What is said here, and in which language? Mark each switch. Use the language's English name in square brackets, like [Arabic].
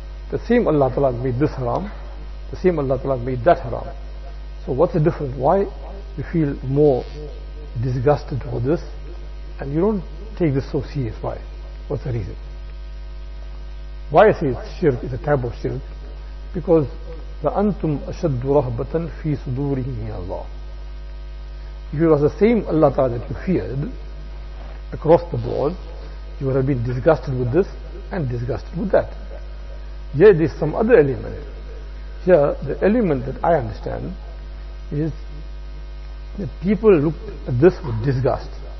[English] The same Allah Ta'ala made this haram, the same Allah Ta'ala made that haram. So what's the difference? Why you feel more disgusted for this and you don't take this so serious? Why? What's the reason? Why I say it's shirk, it's a type of shirk? Because [Arabic] لَأَنْتُمْ أَشَدُّ رَهْبَةً فِي صُدُورِهِ مِنَ اللَّهِ. [English] If it was the same Allah Ta'ala that you feared across the board, you would have been disgusted with this and disgusted with that. Here there is some other element. Here the element that I understand is that people look at this with disgust.